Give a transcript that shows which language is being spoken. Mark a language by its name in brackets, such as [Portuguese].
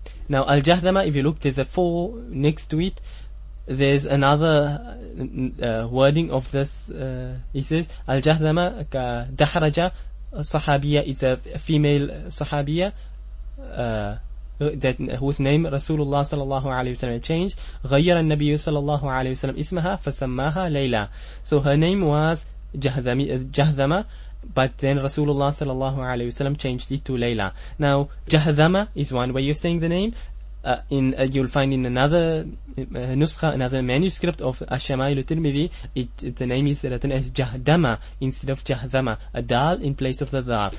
[English] Now Al-Jahdama, if you look at the four next to it, there's another wording of this. He says Al-Jahdama Dahraja Sahabiya, is a female Sahabiya that whose name Rasulullah sallallahu alayhi wa sallam changed. [Arabic] غَيَّرَ النَّبِيُّ sallallahu alayhi wa sallam إِسْمَهَا فَسَمَّاهَا لَيْلَى. [English] So her name was Jahdama, but then Rasulullah sallallahu alayhi wa sallam changed it to Layla. Now, Jahdama is one way you're saying the name. You'll find in another manuscript of Ash-Shamail al-Tirmidhi, the name is written as Jahdama instead of Jahdama, a dal in place of the dal.